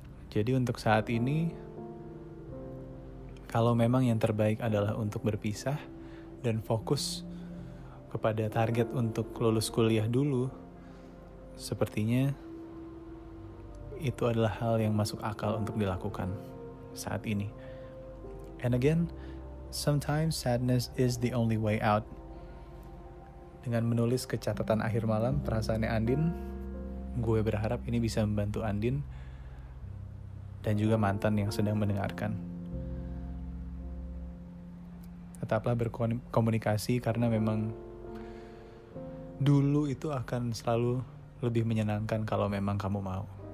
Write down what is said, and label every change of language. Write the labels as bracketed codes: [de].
[id] Jadi untuk saat ini, kalau memang yang terbaik adalah untuk berpisah dan fokus kepada target untuk lulus kuliah dulu, sepertinya itu adalah hal yang masuk akal untuk dilakukan saat ini. [en] And again, sometimes sadness is the only way out. [id] Dengan menulis ke catatan akhir malam perasaannya Andin, gue berharap ini bisa membantu Andin dan juga mantan yang sedang mendengarkan. Tetaplah berkomunikasi karena memang dulu itu akan selalu lebih menyenangkan kalau memang kamu mau.